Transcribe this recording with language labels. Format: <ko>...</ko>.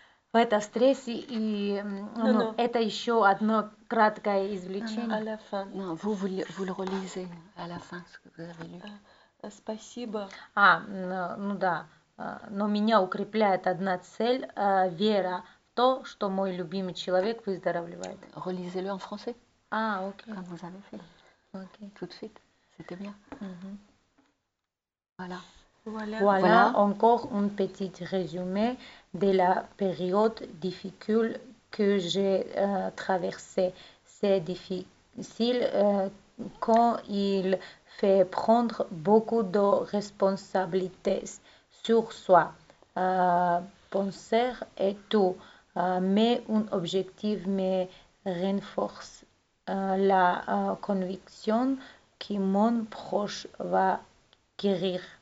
<ru>В этом стрессе и ну,</ru> <fr>Non,</fr> <ru>это еще одно краткое</ru> <fr>non.</fr> <ru>извлечение.</ru> <fr>À la fin. Non, vous le relisez à la fin, ce que vous avez lu.</fr> <ru>Спасибо. А, ну да, но меня укрепляет одна цель, вера в то, что мой любимый человек выздоровевает.</ru> <fr>Relisez-le en français,</fr> <ru>А, ok.</ru> <fr>comme vous avez fait, tout de suite. C'était bien. Voilà. Voilà encore un petit résumé de la période difficile que j'ai traversée. C'est difficile quand il fait prendre beaucoup de responsabilités sur soi, penser et tout, mais un objectif me renforce la conviction que mon proche va guérir.</fr>